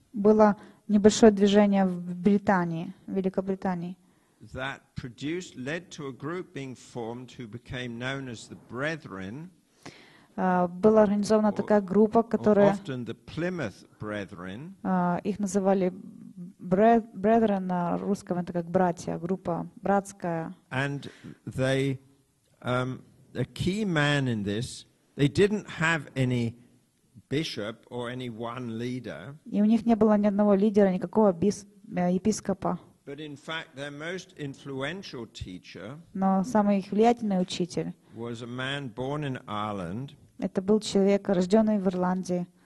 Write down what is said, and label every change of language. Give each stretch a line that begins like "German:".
Russian: Было небольшое движение в Британии, в Великобритании.
English: That produced led to a group being formed who became known as the Brethren.
Russian: Была организована такая группа, которая
English: often the Plymouth Brethren.
Russian: Их называли Brethren на русском, это как братья, группа братская.
English: And they a key man in this, they didn't have any bishop or any one leader.
Russian: И у них не было ни одного лидера, никакого епископа.
English: But in fact, their most influential teacher.
Russian: Но самый их влиятельный учитель.
English: Was a man born in Ireland.
Russian: Это был человек, рожденный в Ирландии.